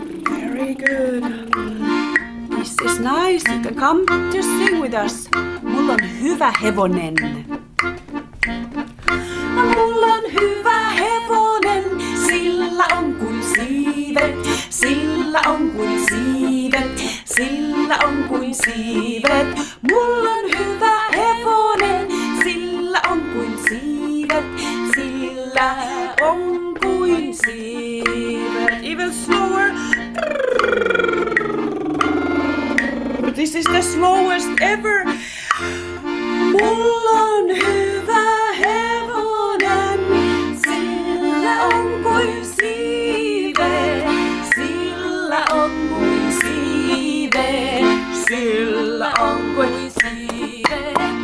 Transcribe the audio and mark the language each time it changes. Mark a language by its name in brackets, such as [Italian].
[English] Very good. This is nice. You can come to sing with us. [Finnish] Mulla on hyvä hevonen. Mulla on hyvä hevonen, sillä on kuin siivet, sillä on kuin siivet, sillä on kuin siivet. Mulla on hyvä hevonen, sillä on kuin siivet, sillä on kuin siivet. [English] Even slower. This is the slowest ever. [Finnish] Mulla on hyvä hevonen, sillä on kuin siivet, sillä on kuin siivet, sillä on kuin siivet.